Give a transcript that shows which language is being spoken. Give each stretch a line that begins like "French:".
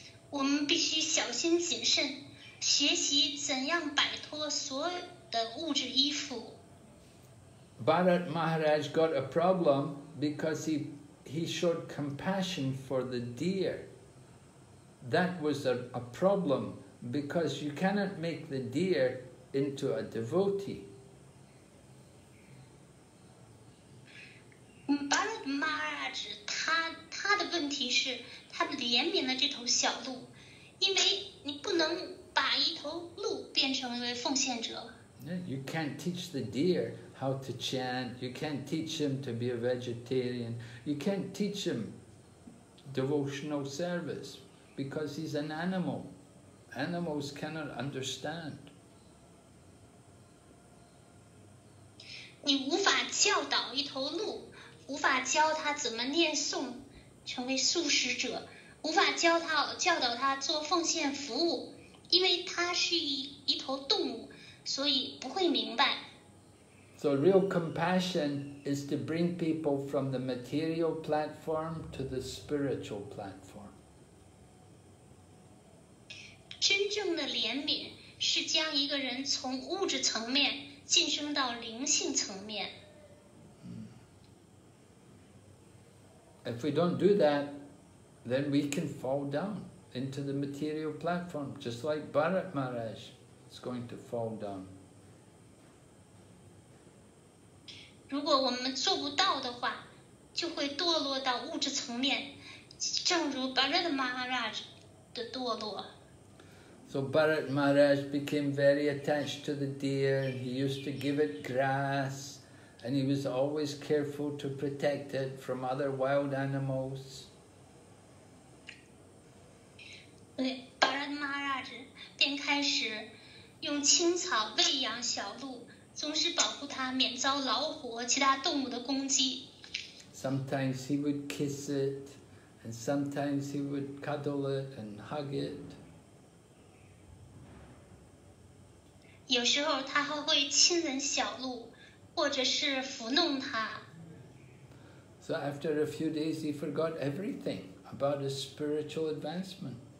Chinese: 我们必须小心谨慎，学习怎样摆脱所有的物质依附。
English: Bharat Maharaj got a problem because he showed compassion for the deer. That was a problem because you cannot make the deer into a devotee.
Chinese: Bharat Maharaj 他的问题是他怜悯了这头小鹿，因为你不能把一头鹿变成一位奉献者。
English: You can't teach the deer how to chant. You can't teach him to be a vegetarian. You can't teach him devotional service because he's an animal. Animals cannot understand.
Chinese: 你无法教导一头鹿，无法教他怎么念诵成为素食者，无法教导他做奉献服务，因为他是一头动物，所以不会明白。
English: So real compassion is to bring people from the material platform to the spiritual platform.
Chinese: 真正的怜悯是将一个人从物质层面晋升到灵性层面。
English: If we don't do that, then we can fall down into the material platform, just like Bharat Maharaj is going to fall down.
Chinese: 如果我们做不到的话，就会堕落到物质层面，正如 Bharat Maharaj 的堕落。
English: So Bharat Maharaj became very attached to the deer. He used to give it grass, and he was always careful to protect it from other wild animals.
Chinese: Bharat Maharaj 便开始用青草喂养小鹿。总是保护他免遭老虎和其他动物的攻击。
English: Sometimes he would kiss it, and sometimes he would cuddle it and hug it.
Chinese: 有时候他还会亲吻小鹿，或者是抚弄它。
English: So after a few days, he forgot everything about his spiritual advancement.